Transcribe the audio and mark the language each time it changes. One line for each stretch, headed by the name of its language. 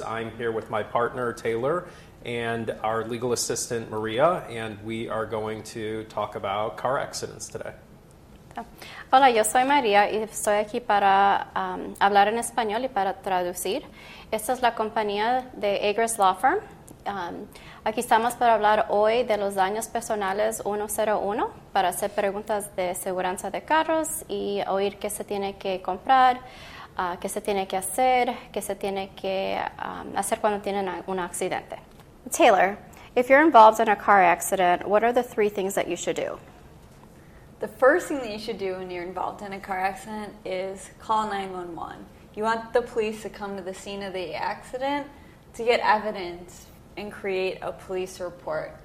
English: I'm here with my partner, Taylor, and our legal assistant, Maria, and we are going to talk about car accidents today.
Spanish: Hola, yo soy María y estoy aquí para hablar en español y para traducir. Esta es la compañía de Agruss Law Firm. Aquí estamos para hablar hoy de los daños personales 101, para hacer preguntas de seguridad de carros y oír qué se tiene que comprar, qué se tiene que hacer, qué se tiene que hacer cuando tienen un accidente.
English: Taylor, if you're involved in a car accident, what are the three things that you should do? The first thing that you should do when you're involved in a car accident is call 911. You want the police to come to the scene of the accident to get evidence and create a police report.